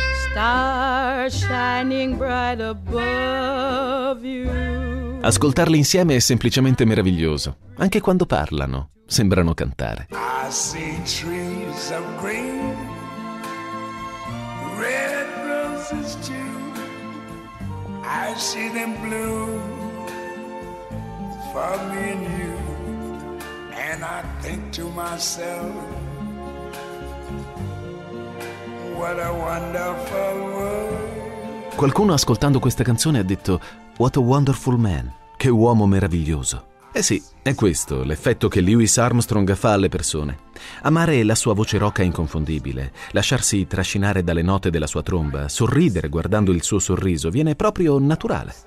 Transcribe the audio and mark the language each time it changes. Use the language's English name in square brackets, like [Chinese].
[English] Star shining bright above you. [Italian] Ascoltarli insieme è semplicemente meraviglioso. Anche quando parlano, sembrano cantare. [English] I see trees of green. Red roses too. I see them blue for me and you. And I think to myself, what a wonderful world. [Italian] Qualcuno ascoltando questa canzone ha detto: [English] what a wonderful man. [Italian] Che uomo meraviglioso. Eh sì, è questo l'effetto che Lewis Armstrong fa alle persone. Amare la sua voce roca inconfondibile, lasciarsi trascinare dalle note della sua tromba, sorridere guardando il suo sorriso, viene proprio naturale.